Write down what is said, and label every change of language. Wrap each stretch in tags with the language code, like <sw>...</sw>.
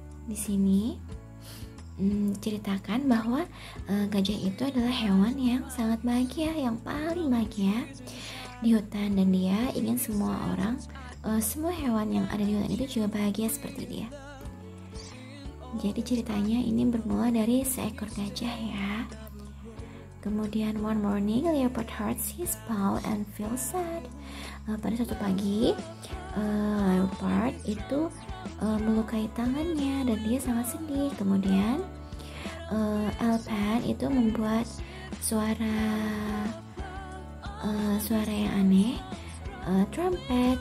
<id>Di sini ceritakan bahwa gajah itu adalah hewan yang sangat bahagia, yang paling bahagia di hutan, dan dia ingin semua orang, semua hewan yang ada di hutan itu juga bahagia seperti dia. Jadi ceritanya ini bermula dari seekor gajah ya. Kemudian</id> <en>one morning leopard hurts his paw and feels sad.</en> <id>Pada suatu pagi leopard itu melukai tangannya dan dia sangat sedih. Kemudian elephant itu membuat suara yang aneh, trumpet.</id>